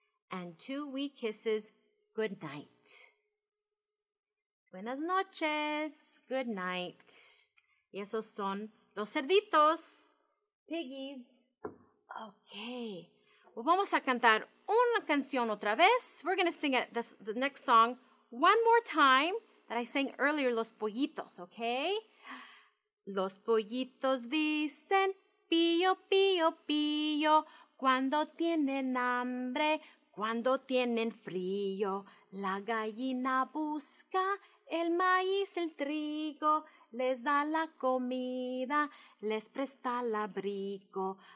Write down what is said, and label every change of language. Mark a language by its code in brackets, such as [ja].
[en] And two wee kisses, good night. [es] Buenas noches, [en] good night. [es] Y esos son los cerditos, [en] piggies. [es] Okay. Well, vamos a cantar una canción otra vez. [en] We're going to sing it, the next song one more time that I sang earlier, Los Pollitos, okay? [es] Los pollitos dicen pío, pío, pío cuando tienen hambre, cuando tienen frío. La gallina busca el maíz, el trigo, les da la comida, les presta el abrigo.